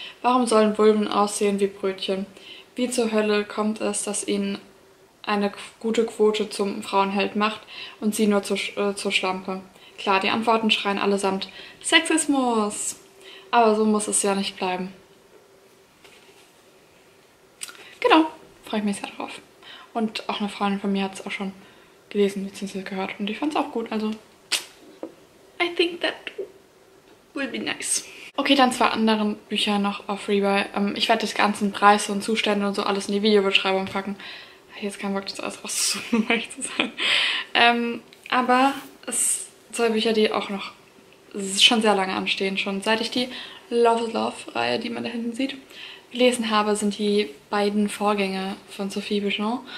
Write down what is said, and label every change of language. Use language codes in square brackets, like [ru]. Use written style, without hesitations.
[de] Warum sollen Vulven aussehen wie Brötchen? Wie zur Hölle kommt es, dass ihnen eine gute Quote zum Frauenheld macht und sie nur zur Schlampe? Klar, die Antworten schreien allesamt Sexismus. Aber so muss es ja nicht bleiben. Genau, freue ich mich sehr drauf. Und auch eine Freundin von mir hat es auch schon gelesen bzw. gehört und ich fand es auch gut. [en] Also, I think that will be nice. [de] Okay, dann zwei anderen Bücher noch auf Rebuy. Ich werde das Ganze in Preise und Zustände und so alles in die Videobeschreibung packen. Ich habe jetzt keinen Bock, das alles rauszusuchen, um ehrlich zu sein. Aber es sind zwei Bücher, die auch noch schon sehr lange anstehen. Schon seit ich die Love is Love-Reihe, die man da hinten sieht, gelesen habe, sind die beiden Vorgänge von Sophie Bichon.